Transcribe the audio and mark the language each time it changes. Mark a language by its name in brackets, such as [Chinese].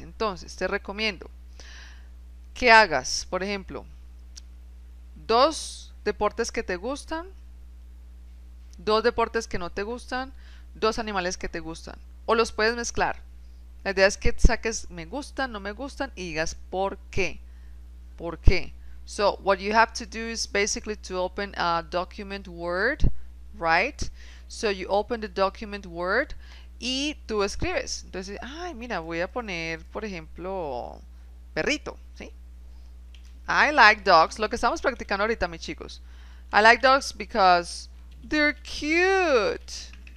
[Spanish] Entonces, te recomiendo que hagas, por ejemplo, dos deportes que te gustan, dos deportes que no te gustan, dos animales que te gustan. O los puedes mezclar. La idea es que saques me gustan, no me gustan y digas por qué. ¿Por qué? [English] So, what you have to do is basically to open a document Word, right? So, you open the document Word [Spanish] y tú escribes. Entonces, ay, mira, voy a poner, por ejemplo, perrito, ¿sí? [English] I like dogs. [Spanish] Lo que estamos practicando ahorita, mis chicos. [English] I like dogs because they're cute.